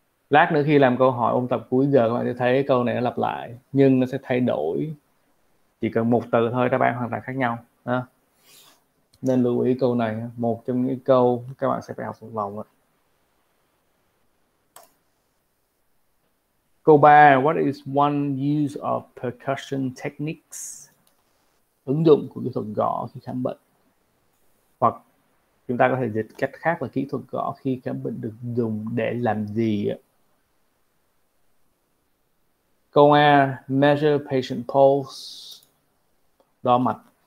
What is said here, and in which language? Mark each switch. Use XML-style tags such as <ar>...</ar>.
<vi>Lát nữa khi làm câu hỏi ôn tập cuối giờ, các bạn sẽ thấy câu này nó lặp lại, nhưng nó sẽ thay đổi. Chỉ cần một từ thôi, đáp án hoàn toàn khác nhau. Nên lưu ý câu này, một trong những câu các bạn sẽ phải học thuộc lòng. Câu 3,</vi> <en>what is one use of percussion techniques?</en> <vi>Ứng dụng của kỹ thuật gõ khi khám bệnh. Hoặc chúng ta có thể dịch cách khác là kỹ thuật gõ khi khám bệnh được dùng để làm gì? Câu A,</vi> <en>measure patient pulse,</en> <vi>đo mạch.</vi>